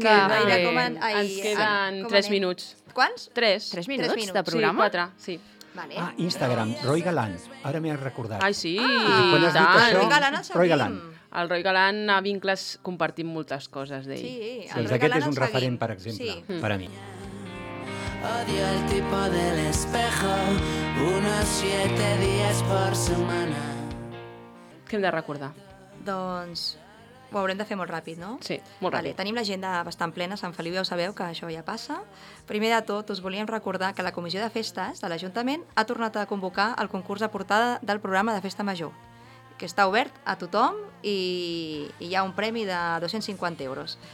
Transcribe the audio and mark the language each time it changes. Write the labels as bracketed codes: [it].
[ca] de... Ens queden 3 minuts. Quants? 3. 3 minuts de programa? Sí, 4. Sí. Vale. Ah, Instagram, Roy Galán. Ara m'he recordat. Ai, sí. Roy Galán. El Roy Galán a vincles compartim moltes coses d'ell. Sí, doncs aquest és un referent, per exemple, per a mi. [es] Odio el tipo del espejo, unos 7 días por semana. [ca] Què hem de recordar? Doncs... Ho haurem de fer molt ràpid, no? Sí, molt ràpid. Vale, tenim l'agenda bastant plena, Sant Feliu, ja ho sabeu, que això ja passa. Primer de tot, us volíem recordar que la comissió de festes de l'Ajuntament ha tornat a convocar el concurs de portada del programa de Festa Major. que està obert a tothom i hi ha un premi de 250 euros.